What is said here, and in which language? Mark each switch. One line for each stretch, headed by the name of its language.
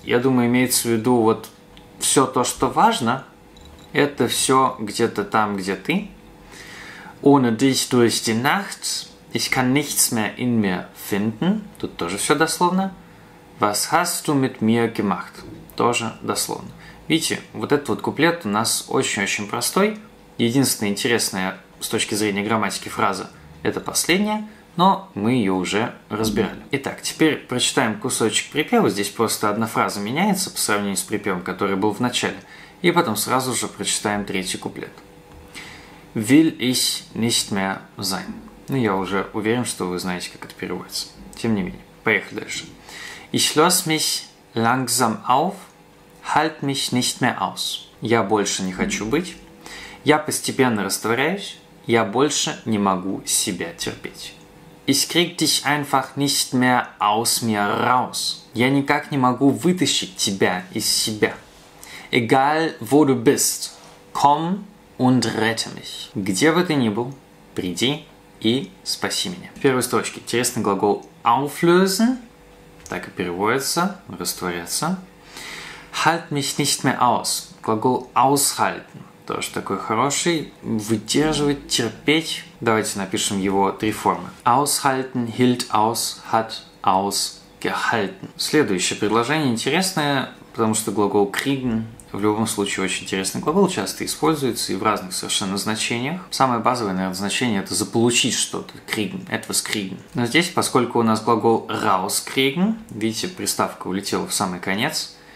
Russian: Я думаю, имеется в виду вот все то, что важно. Это все где-то там, где ты.
German: Ohne dich durch die Nacht. Ich kann nichts mehr in mir finden.
Russian: Тут тоже все дословно.
German: Was hast du mit mir gemacht?
Russian: Тоже дословно. Видите, вот этот вот куплет у нас очень-очень простой. Единственная интересная с точки зрения грамматики фраза – это последняя. Но мы ее уже разбирали. Итак, теперь прочитаем кусочек припева. Здесь просто одна фраза меняется по сравнению с припевом, который был в начале. И потом сразу же прочитаем третий куплет.
German: Will ich nicht mehr sein.
Russian: Ну, я уже уверен, что вы знаете, как это переводится. Тем не менее, поехали дальше.
German: Ich löse mich langsam auf, halt mich nicht mehr aus.
Russian: Я больше не хочу быть. Я постепенно растворяюсь. Я больше не могу себя терпеть.
German: Ich krieg dich einfach nicht mehr aus mir raus.
Russian: Я никак не могу вытащить тебя из себя.
German: Egal, wo du bist, komm und rette mich.
Russian: Где бы ты ни был, приди и спаси меня. В первой строчке интересный глагол auflösen. Так и переводится, растворяться.
German: Halt mich nicht mehr aus.
Russian: Глагол aushalten. Тоже такой хороший. Выдерживать, терпеть. Давайте напишем его три формы.
German: Aushalten, hielt aus, hat ausgehalten.
Russian: Следующее предложение интересное, потому что глагол kriegen в любом случае очень интересный глагол, часто используется и в разных совершенно значениях. Самое базовое, наверное, значение это заполучить что-то.
German: Kriegen, etwas kriegen.
Russian: Но здесь, поскольку у нас глагол rauskriegen, видите, приставка улетела в самый конец.